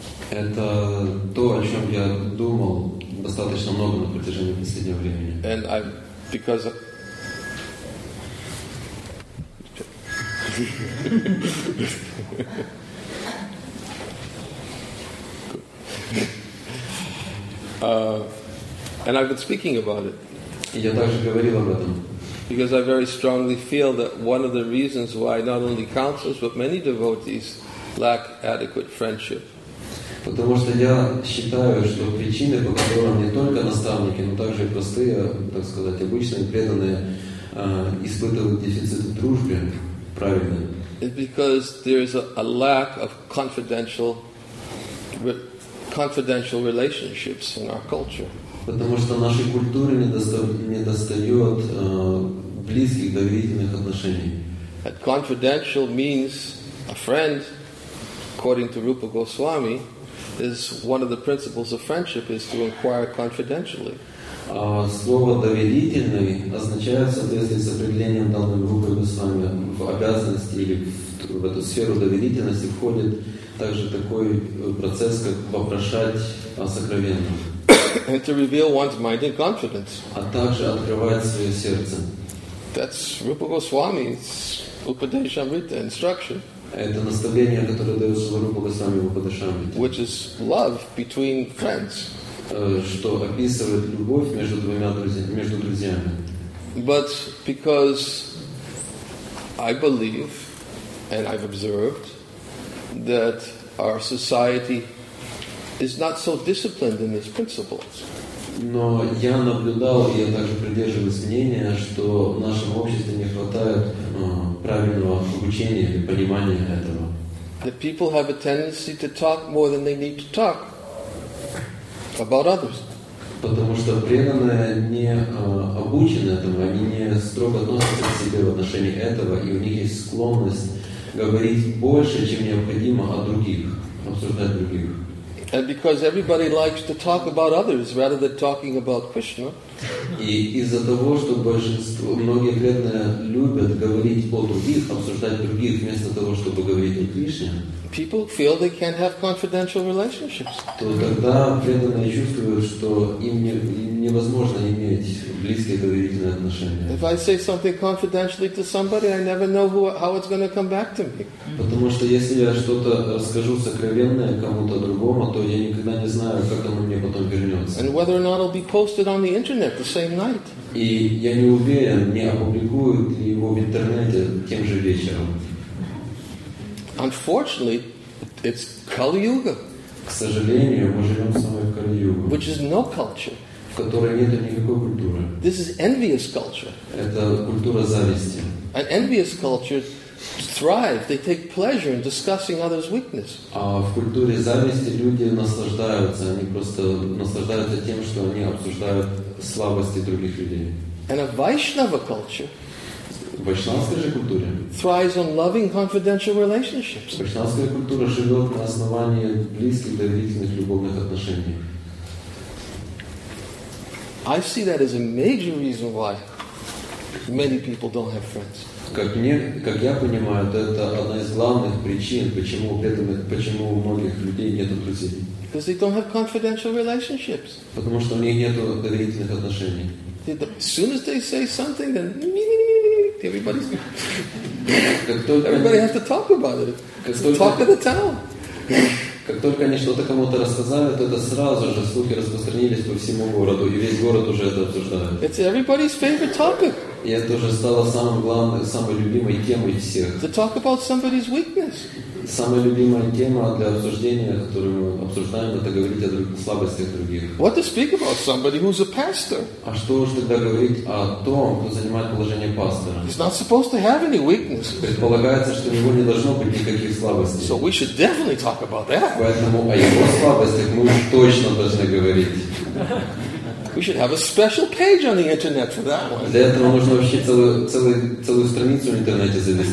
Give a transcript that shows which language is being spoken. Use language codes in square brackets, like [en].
[ru] Это то, о чем я думал достаточно много на протяжении последнего времени. [en] And I, because of... and I've been speaking about it. [ru] Я также говорил об этом. [en] Because I very strongly feel that one of the reasons why not only counselors but many devotees lack adequate friendship. [ru] Потому что я считаю, что причины, по которым не только наставники, но также и простые, так сказать, обычные преданные испытывают дефицит в дружбе, правильно? [en] It's because there is a lack of confidential confidential relationships in our culture. [ru] Потому что нашей культуре недостает близких доверительных отношений. [en] That confidential means a friend, according to Rupa Goswami, is one of the principles of friendship is to inquire confidentially. [ru] Слово доверительный означает, соответственно, с определением данной Рупы Госвами в обязанности или в эту сферу доверительности входит также такой процесс, как вопрошать о сокровенном. [en] And to reveal one's mind in confidence. [ru] А также открывает свое сердце. [en] That's Rupa Goswami's Upadeshamrita instruction. [ru] Это наставление, которое дается Рупа Госвами в Упадешамрите. [en] Which is love between friends. [ru] Что описывает любовь между двумя друзьями, между друзьями. [en] But because I believe and I've observed that our society is not so disciplined in its principles. [ru] Но я наблюдал, и я также придерживаюсь мнения, что в нашем обществе не хватает правильного обучения или понимания этого. [en] That people have a tendency to talk more than they need to talk about others. [ru] Потому что преданные не обучены этому, они не строго относятся к себе в отношении этого, и у них есть склонность говорить больше, чем необходимо о других, обсуждать других. [en] And because everybody likes to talk about others rather than talking about Krishna. [ru] И из-за того, что большинство, многие преданные любят говорить о других, обсуждать других вместо того, чтобы говорить о Кришне. [en] People feel they can't have confidential relationships. [ru] То тогда преданные чувствуют, что им невозможно иметь близкие доверительные отношения. [en] If I say something confidentially to somebody, I never know how it's going to come back to me. [ru] Потому что если я что-то расскажу сокровенное кому-то другому, то я никогда не знаю, как оно мне потом вернется. [en] And whether or not it'll be posted on the internet the same night. [ru] И я не уверен, не опубликуют ли его в интернете тем же вечером. [en] Unfortunately, it's Kali Yuga. [ru] К сожалению, мы живем самой Кали Юга. [en] Which is no culture. [ru] В которой нет никакой культуры. [en] This is envious culture. [ru] Это культура зависти. [en] And envious cultures thrive. They take pleasure in discussing others' weakness. [ru] А в культуре зависти люди наслаждаются. Они просто наслаждаются тем, что они обсуждают слабости других людей. [en] And a Vaishnava culture. [ru] Вайшнавская же культура [en] thrives on loving confidential relationships. [ru] Вайшнавская культура живет на основании близких, доверительных, любовных отношений. [en] I see that as a major reason why many people don't have friends. [ru] Как я понимаю, это одна из главных причин, почему у многих людей нет друзей. [en] Because they don't have confidential relationships. [ru] Потому что у них нет доверительных отношений. [en] As soon as they say something, then Everybody has to talk about it. It's the talk of the town. [ru] Как только они что-то кому-то рассказали, то это сразу же слухи распространились по всему городу, и весь город уже это обсуждает. [en] It's everybody's favorite topic. [ru] И это уже стало самой главной, самой любимой темой всех. [en] To talk about somebody's weakness. [ru] Самая любимая тема для обсуждения, которую мы обсуждаем, это говорить о слабостях других. [en] What to speak about somebody who's a pastor? [ru] А что уж тогда говорить о том, кто занимает положение пастора? [en] He's not supposed to have any weakness. [ru] Предполагается, что у него не должно быть никаких слабостей. [en] So we should definitely talk about that. [ru] Поэтому о его слабостях мы уж точно должны говорить. [en] We should have a special page on the internet for that one. [ru] Для этого нужно вообще целую страницу в интернете завести.